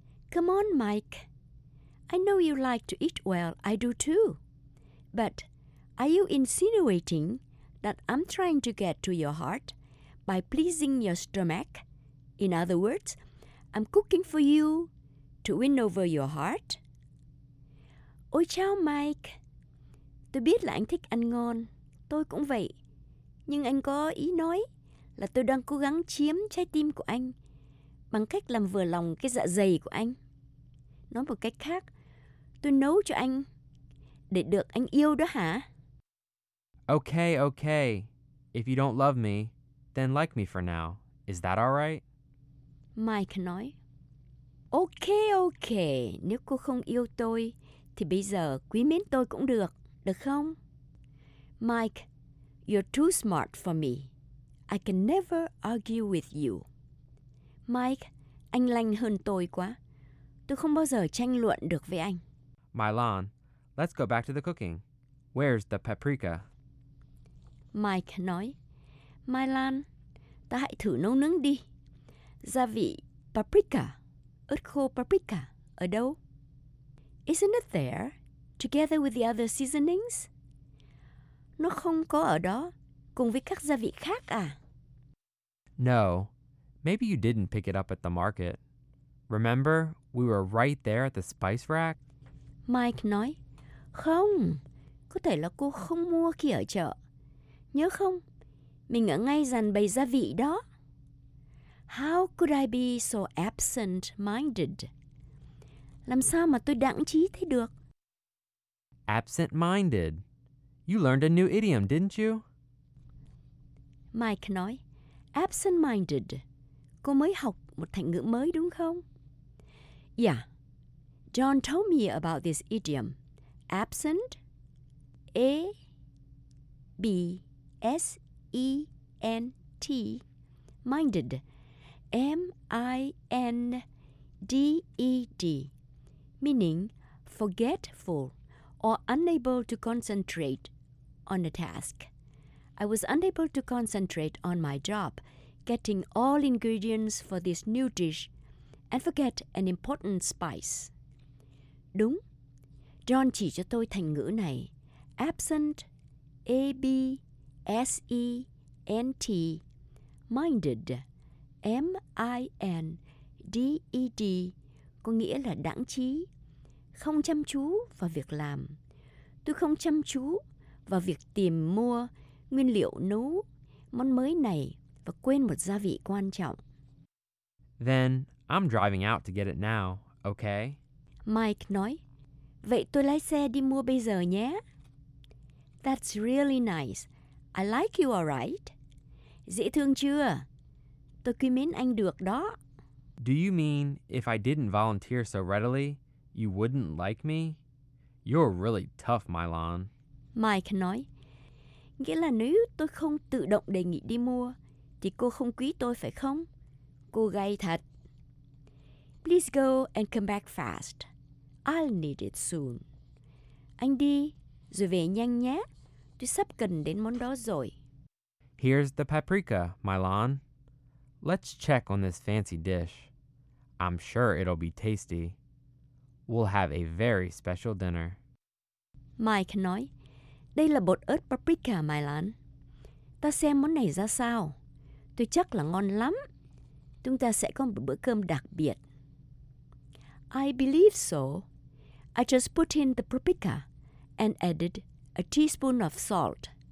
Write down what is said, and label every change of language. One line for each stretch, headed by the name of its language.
English: Come on, Mike. I know you like to eat well, I do too. But are you insinuating that I'm trying to get to your heart by pleasing your stomach? In other words, I'm cooking for you to win over your heart.
Vietnamese: Ôi chao Mike, tôi biết là anh thích ăn ngon, tôi cũng vậy. Nhưng anh có ý nói là tôi đang cố gắng chiếm trái tim của anh bằng cách làm vừa lòng cái dạ dày của anh. Nói một cách khác, tôi nấu cho anh để được anh yêu đó hả?
English: Okay, okay. If you don't love me, then like me for now. Is that all right?
Vietnamese: Mike nói, okay, okay, nếu cô không yêu tôi, thì bây giờ quý mến tôi cũng được, được không?
English: Mike, you're too smart for me. I can never argue with you.
Vietnamese: Mike, anh lanh hơn tôi quá. Tôi không bao giờ tranh luận được với anh.
English: Mylon, let's go back to the cooking. Where's the paprika?
Vietnamese: Mike nói, Mylon, ta hãy thử nấu nướng đi. Gia vị paprika, ớt khô paprika, ở đâu?
English: Isn't it there, together with the other seasonings?
Vietnamese: Nó không có ở đó, cùng với các gia vị khác à?
English: No, maybe you didn't pick it up at the market. Remember, we were right there at the spice rack?
Vietnamese: Mike nói, không, có thể là cô không mua khi ở chợ. Nhớ không, mình ở ngay dàn bày gia vị đó.
English: How could I be so absent-minded?
Vietnamese: Làm sao mà tôi đãng trí thế được?
English: Absent-minded. You learned a new idiom, didn't you?
Vietnamese: Mike nói, absent-minded. Cô mới học một thành ngữ mới đúng không?
English: Yeah. John told me about this idiom. Absent. A-B-S-E-N-T. Minded. M-I-N-D-E-D. Meaning forgetful or unable to concentrate on a task. I was unable to concentrate on my job, getting all ingredients for this new dish, and forget an important spice.
Vietnamese: Đúng. John chỉ cho tôi thành ngữ này. Absent, A-B-S-E-N-T, minded, M-I-N-D-E-D, có nghĩa là đãng trí, không chăm chú vào việc làm. Tôi không chăm chú vào việc tìm mua nguyên liệu nấu món mới này và quên một gia vị quan trọng.
English: Then I'm driving out to get it now, okay?
Vietnamese: Mike nói, vậy tôi lái xe đi mua bây giờ nhé.
English: That's really nice. I like you, alright?
Vietnamese: Dễ thương chưa? Tôi quý mến anh được đó.
English: Do you mean if I didn't volunteer so readily, you wouldn't like me? You're really tough, Mylon.
Vietnamese: Mike nói, nghĩa là nếu tôi không tự động đề nghị đi mua, thì cô không quý tôi phải không? Cô gay thật.
English: Please go and come back fast. I'll need it soon.
Vietnamese: Anh đi, rồi về nhanh nhé. Tôi sắp cần đến món đó rồi.
English: Here's the paprika, Mylon. Let's check on this fancy dish. I'm sure it'll be tasty. We'll have a very special dinner.
Vietnamese: Mike nói, đây là bột ớt paprika, Mylon. Ta xem món này ra sao. Tôi chắc là ngon lắm. Chúng ta sẽ có một bữa cơm đặc biệt.
English: I believe so. I just put in the paprika and added a teaspoon of salt.